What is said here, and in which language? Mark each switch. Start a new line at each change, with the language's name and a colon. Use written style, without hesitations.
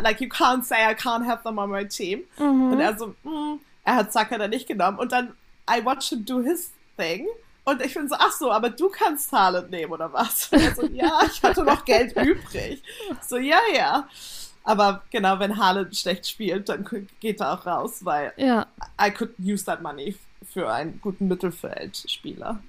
English: Like, you can't say I can't have them on my team. Mhm.
German: Und er so, er hat Saka dann nicht genommen. Und dann,
English: I watched him do his thing.
German: Und ich bin so, ach so, aber du kannst Haaland nehmen oder was? Und er so, ja, ich hatte noch Geld übrig. So, ja, ja. Aber genau, wenn Haaland schlecht spielt, dann geht er auch raus, weil ja.
English: I could use that money
German: für einen guten Mittelfeldspieler.